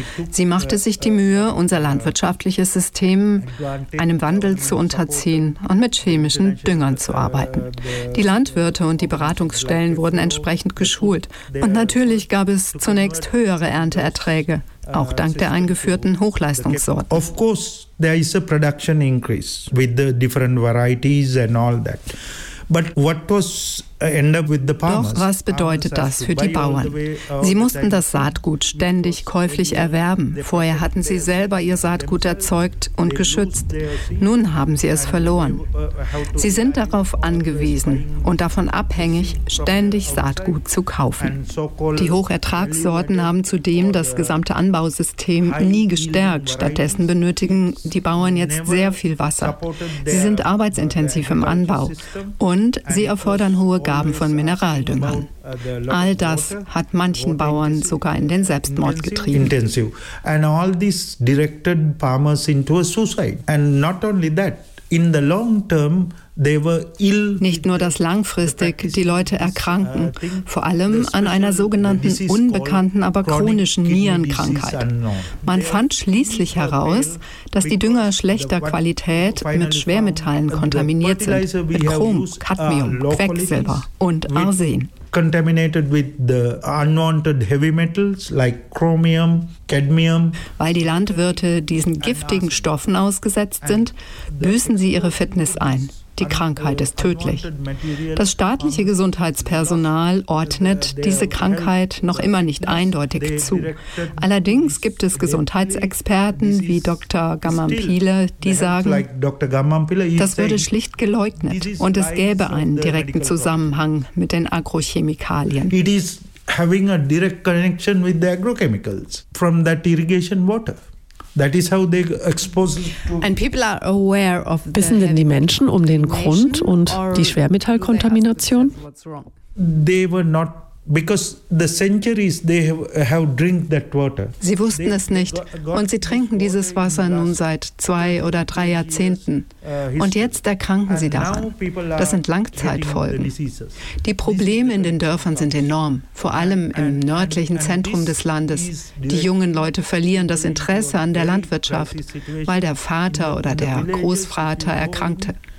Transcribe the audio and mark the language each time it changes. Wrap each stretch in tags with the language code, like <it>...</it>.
<de>Sie machte sich die Mühe, unser landwirtschaftliches System einem Wandel zu unterziehen und mit chemischen Düngern zu arbeiten. Die Landwirte und die Beratungsstellen wurden entsprechend geschult. Und natürlich gab es zunächst höhere Ernteerträge, auch dank der eingeführten Hochleistungssorten.</de> <en>Of course, there is a production increase with the different varieties and all that. But what was end up with the farmers?</en> <de>Doch was bedeutet das für die Bauern? Sie mussten das Saatgut ständig käuflich erwerben. Vorher hatten sie selber ihr Saatgut erzeugt und geschützt. Nun haben sie es verloren. Sie sind darauf angewiesen und davon abhängig, ständig Saatgut zu kaufen. Die Hochertragssorten haben zudem das gesamte Anbausystem nie gestärkt. Stattdessen benötigen die Bauern jetzt sehr viel Wasser. Sie sind arbeitsintensiv im Anbau und sie erfordern hohe Gaben von Mineraldüngern. All das hat manchen Bauern sogar in den Selbstmord getrieben.</de> <en>And all this directed farmers into a suicide. And not only that, in the long term, they were ill.</en> <de>Nicht nur, dass langfristig die Leute erkranken, vor allem an einer sogenannten unbekannten, aber chronischen Nierenkrankheit. Man fand schließlich heraus, dass die Dünger schlechter Qualität mit Schwermetallen kontaminiert sind, mit Chrom, Cadmium, Quecksilber und Arsen.</de> <en>Contaminated with the unwanted heavy metals like chromium, cadmium.</en> <de>Weil die Landwirte diesen giftigen Stoffen ausgesetzt sind, büßen sie ihre Fitness ein. Die Krankheit ist tödlich. Das staatliche Gesundheitspersonal ordnet diese Krankheit noch immer nicht eindeutig zu. Allerdings gibt es Gesundheitsexperten wie Dr. Gamampile, die sagen, das würde schlicht geleugnet und es gäbe einen direkten Zusammenhang mit den Agrochemikalien.</de> <en>Having a direct connection with the agrochemicals from that irrigation water. That is how they expose and people are aware of the</en> <de>wissen denn die Menschen um den Grund und die Schwermetallkontamination?</de> <en>They were not. Because the centuries they have drink that water.</en> <de>Sie wussten es nicht und sie trinken dieses Wasser nun seit 2 oder 3 Jahrzehnten. Und jetzt erkranken sie daran. Das sind Langzeitfolgen. Die Probleme in den Dörfern sind enorm, vor allem im nördlichen Zentrum des Landes. Die jungen Leute verlieren das Interesse an der Landwirtschaft, weil der Vater oder der Großvater erkrankte.</de>